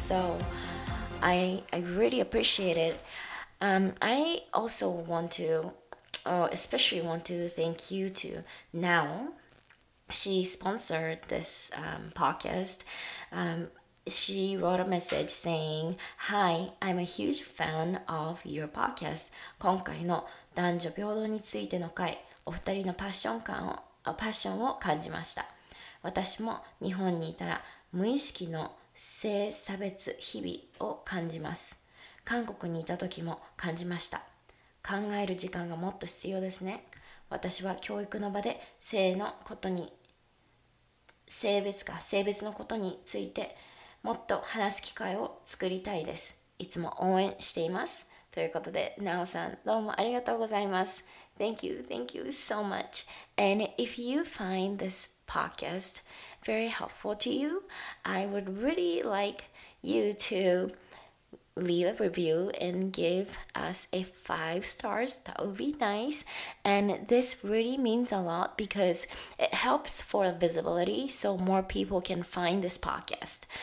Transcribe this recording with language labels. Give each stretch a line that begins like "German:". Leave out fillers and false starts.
English: So I really appreciate it. I also want to, especially want to thank you to Now. She sponsored this podcast. She wrote a message saying, Hi, I'm a huge fan of your podcast.
Japanese: 今回の男女平等についての回、お二人のパッション感を、パッションを感じました。私も日本にいたら無意識の性差別日々を感じます。韓国にいた時も感じました。考える時間がもっと必要ですね。私は教育の場で性のことに、性別のことについてもっと話す機会を作りたいです。いつも応援しています。ということで、ナオさん、どうもありがとうございます。
English: Thank you so much. And if you find this podcast very helpful to you, I would really like you toleave a review and give us a 5 stars. That would be nice. And this really means a lot because it helps for visibility so more people can find this podcast.